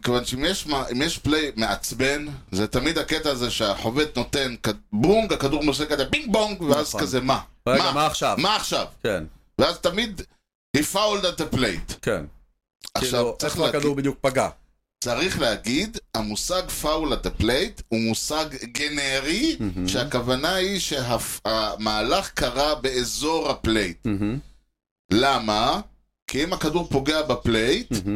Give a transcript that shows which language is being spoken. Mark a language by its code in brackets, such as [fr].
[he] כיוון שאם יש פליי מעצבן, זה תמיד הקטע הזה שהחובט נותן בונג, הכדור מושג כזה בינג בונג, ואז כזה מה? רגע, מה עכשיו? מה עכשיו? כן. ואז תמיד [en] he fouled at the plate. [he] כן. עכשיו, איך הכדור בדיוק פגע? צריך להגיד, המושג פאול את הפלייט הוא מושג גנרי, שהכוונה היא שהמהלך קרה באזור הפלייט. למה? כי אם הכדור פוגע בפלייט...